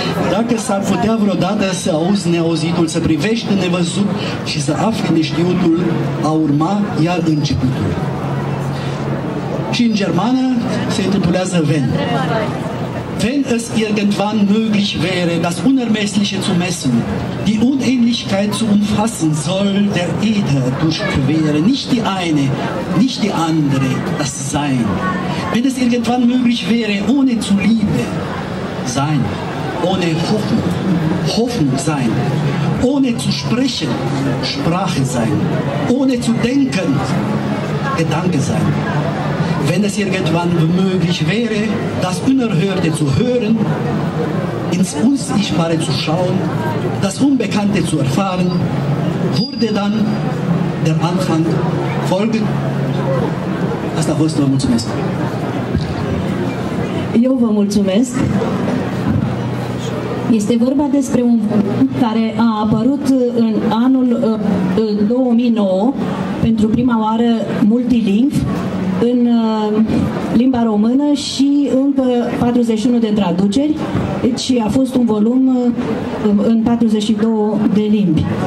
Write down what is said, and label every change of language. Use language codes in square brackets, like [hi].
[ro] Dacă s-ar putea vreodată să auzi neauzitul, să privești în nevăzut și să afli neștiutul, a urma iar începutul. Și în germană se intitulează Wenn. [de] Wenn es irgendwann möglich wäre, das Unermessliche zu messen, die Unähnlichkeit zu umfassen, soll der Äther durchqueren, nicht die eine, nicht die andere, das Sein. Wenn es irgendwann möglich wäre, ohne zu lieben, sein, ohne Hoffnung sein, ohne zu sprechen, Sprache sein, ohne zu denken, Gedanke sein. Wenn es irgendwann möglich wäre, das Unerhörte zu hören, ins Unsichtbare zu schauen, das Unbekannte zu erfahren, wurde dann der Anfang folgen, [ro] Asta a fost, vă mulțumesc. Eu vă mulțumesc. Este vorba despre un care a apărut în anul 2009, pentru prima oară multilingv, în limba română și încă 41 de traduceri, deci a fost un volum în 42 de limbi.